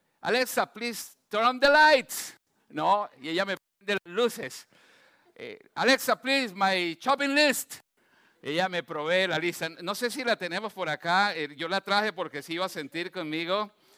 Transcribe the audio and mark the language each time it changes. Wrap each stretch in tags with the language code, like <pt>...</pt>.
<en>Alexa, please turn on the lights.</en> <es>No, y ella me prende las luces.</es> <en>Alexa, please, my shopping list.</en> <es>Ella me provee la lista. No sé si la tenemos por acá. Yo la traje porque se iba a sentir conmigo.</es>